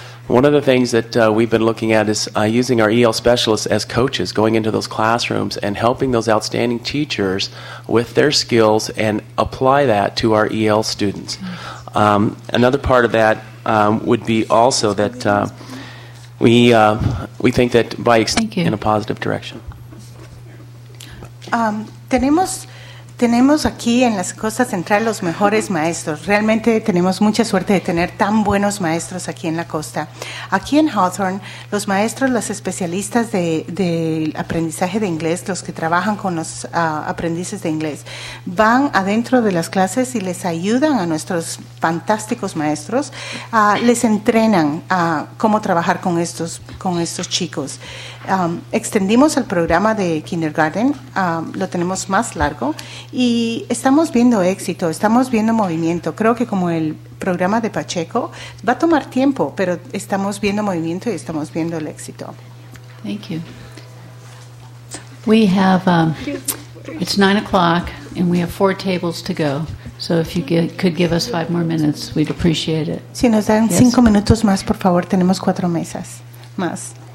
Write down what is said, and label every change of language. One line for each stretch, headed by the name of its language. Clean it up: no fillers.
English: One of the things that we've been looking at is using our EL specialists as coaches, going into those classrooms and helping those outstanding teachers with their skills and apply that to our EL students. Another part of that would be also that we think that by extending in a positive direction.
Spanish: Tenemos aquí en la Costa Central los mejores maestros. Realmente tenemos mucha suerte de tener tan buenos maestros aquí en la costa. Aquí en Hawthorne, los maestros, los especialistas de aprendizaje de inglés, los que trabajan con los aprendices de inglés, van adentro de las clases y les ayudan a nuestros fantásticos maestros, les entrenan a cómo trabajar con estos chicos. Extendimos el programa de kindergarten, lo tenemos más largo y estamos viendo éxito, estamos viendo movimiento. Creo que como el programa de Pacheco va a tomar tiempo, pero estamos viendo movimiento y estamos viendo el éxito.
English: Thank you. We have it's 9 o'clock and we have 4 tables to go. So if you could give us 5 more minutes, we'd appreciate it.
Spanish: Si nos dan 5 minutos más, por favor, tenemos 4 mesas más.